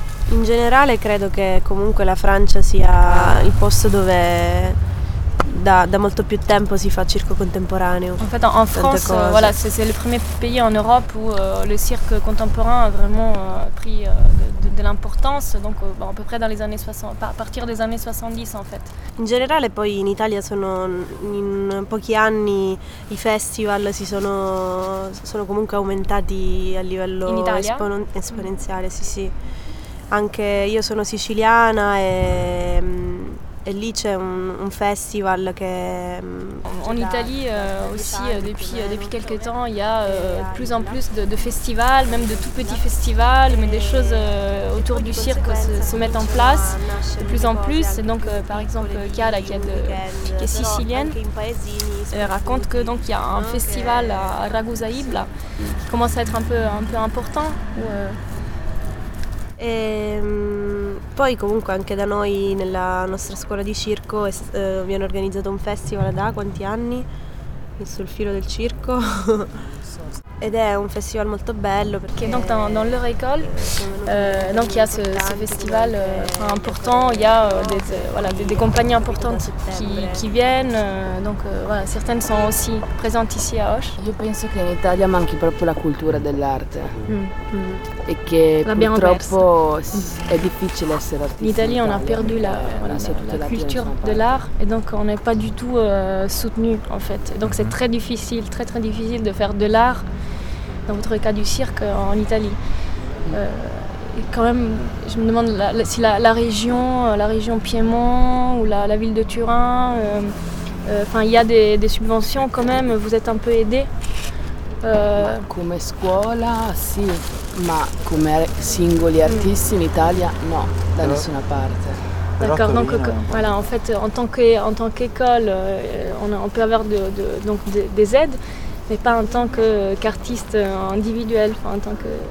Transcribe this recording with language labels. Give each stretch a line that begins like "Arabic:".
Italian: In generale, credo che comunque la Francia sia il posto dove da molto più tempo si fa circo contemporaneo.
French: En fait, en France, voilà, c'est le premier pays en Europe où le cirque contemporain a vraiment pris de l'importance, donc bon, à peu près dans les années 60, à partir des années 70 en fait.
Italian: In generale, poi in Italia sono in pochi anni i festival si sono comunque aumentati a livello esponenziale, sì. Anche io sono siciliana et lì c'è un festival che
French: en Italie aussi depuis quelques temps il y a de plus en plus de festivals, même de tout petits festivals, mais des choses autour du cirque se mettent en place de plus en plus. Et donc par exemple Chiara qui est sicilienne raconte que donc il y a un festival à Ragusa Ibla qui commence à être un peu important où,
Italian: E poi comunque anche da noi nella nostra scuola di circo viene organizzato un festival da quanti anni? Sul filo del circo. Ed è un festival molto bello perché
French: donc dans leur école donc il y a ce festival important, il y a des compagnies importantes qui viennent, donc voilà, certaines sont aussi présentes ici à Auch.
Italian: Io penso che in Italia manchi proprio la cultura dell'arte. E che l'abbiamo purtroppo è difficile essere artisti.
French: In Italia on a perdu la culture de l'art et donc on n'est pas du tout soutenu en fait. Donc c'est très difficile de faire de l'art. Dans votre cas du cirque en Italie, quand même, je me demande si la région Piémont ou la ville de Turin, il y a des subventions quand même. Vous êtes un peu aidé.
Italian: Comme scuola, sì, ma come singoli artisti in Italia, no, da nessuna parte.
French: D'accord, donc voilà, en fait, en tant qu'école, on peut avoir des aides. Mais pas en tant qu'artiste individuel, enfin en tant que...